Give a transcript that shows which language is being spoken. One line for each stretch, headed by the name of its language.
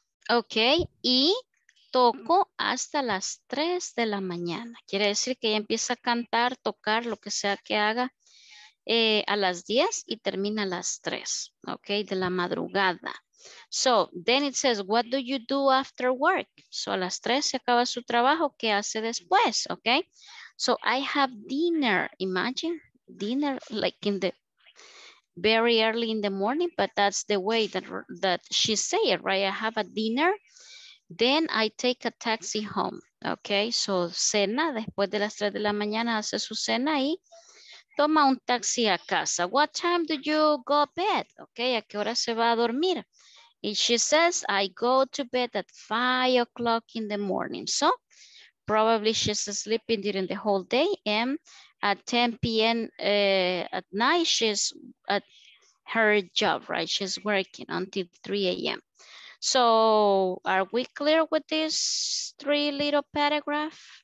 Spanish: Okay, y toco hasta las 3 de la mañana. Quiere decir que ella empieza a cantar, tocar, lo que sea que haga, a las 10 y termina a las 3, okay, de la madrugada.
English: So then it says, what do you do after work?
Spanish: So a las 3 se acaba su trabajo, ¿qué hace después?
English: Okay, so I have dinner. Imagine dinner like in the very early in the morning, but that's the way that she say it, right? I have a dinner, then I take a taxi home.
Spanish: Okay, so cena, después de las 3 de la mañana hace su cena y toma un taxi a casa.
English: What time do you go to bed? Okay,
Spanish: ¿a qué hora se va a dormir?
English: And she says, I go to bed at 5 o'clock in the morning. So probably she's sleeping during the whole day. And at 10 p.m. At night, she's at her job, right? She's working until 3 a.m. So are we clear with this three little paragraph?